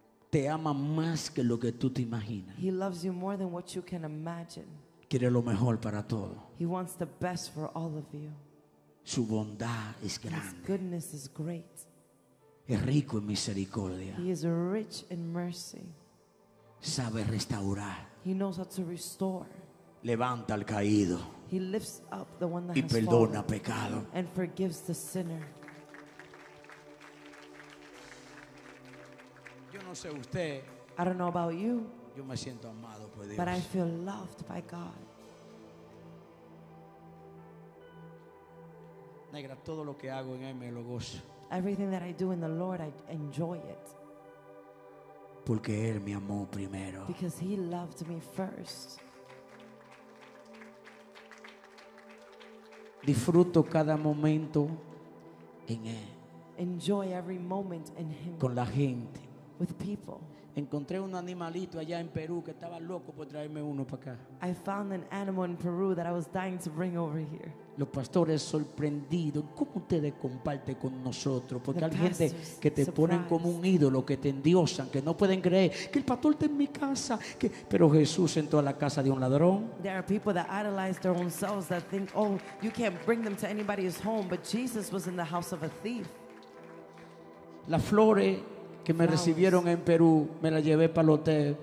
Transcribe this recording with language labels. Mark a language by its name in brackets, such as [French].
[Spanish] Te ama más que lo que tú te imaginas. [English] He loves you more than what you can imagine. [Spanish] Quiere lo mejor para todo. [English] He wants the best for all of you. [Spanish] Su bondad es grande. [English] His goodness is great. [Spanish] Es rico en misericordia. [English] He is rich in mercy. [Spanish] Sabe restaurar. [English] He knows how to restore. [Spanish] Levanta al caído. [English] He lifts up the one that [Spanish] y perdona pecado. [English] And forgives the sinner. [Spanish] Yo no sé usted. [English] I don't know about you. [Spanish] Yo me siento amado por Dios. [English] But I feel loved by God. [Spanish] Negra, todo lo que hago en él me lo gozo. [English] Everything that I do in the Lord, I enjoy it. [Spanish] Porque él me amó primero. [English] Because he loved me first. [Spanish] Disfruto cada momento en él. [English] Enjoy every moment in him. [Spanish] Con la gente. [English] with people. [Spanish] Encontré un animalito allá en Perú que estaba loco por traerme uno para acá. [English] I found an animal in Peru that I was dying to bring over here. [Spanish] Los pastores sorprendidos, ¿cómo ustedes comparten con nosotros? Porque hay gente que te ponen como un ídolo, que te endiosan, que no pueden creer que el pastor está en mi casa, que... pero Jesús entró a la casa de un ladrón. [English] There are people that idolize their own selves that think, oh, you can't bring them to anybody's home, but Jesus was in the house of a thief. [Spanish] Las flores que me recibieron en Perú, me la llevé para el hotel.